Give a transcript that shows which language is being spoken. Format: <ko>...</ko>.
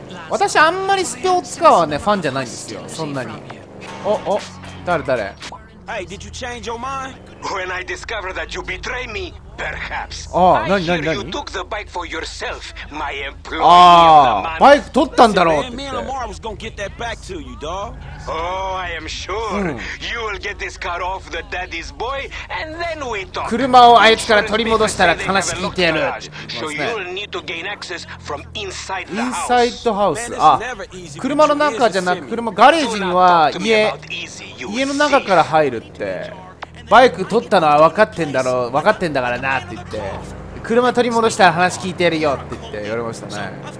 <ja>私あんまりスポーツカーはねファンじゃないんですよ、そんなに。おお、誰誰。</ja> <en>Hey, did you change your mind? When I discover that you betray me, perhaps. Ah, I hear you took the bike for yourself, my employee.</en> <ja>Ah, bike 取ったんだろう。</ja> <en>Me and Lamar was gonna get that back to you, dog. Oh, I am sure. You will get this car off the daddy's boy, and then we talk.</en> <ja>車をあいつから取り戻したら話聞いてやる。</ja> <en>So you'll need to gain access from inside the house. Inside the house.</en> <ja>Ah, 車の中じゃなく、車ガレージには家。家の中から入るって、バイク取ったのは分かってんだろう、分かってんだからなって言って、車取り戻したら話聞いてやるよって言って言われましたね。</ja>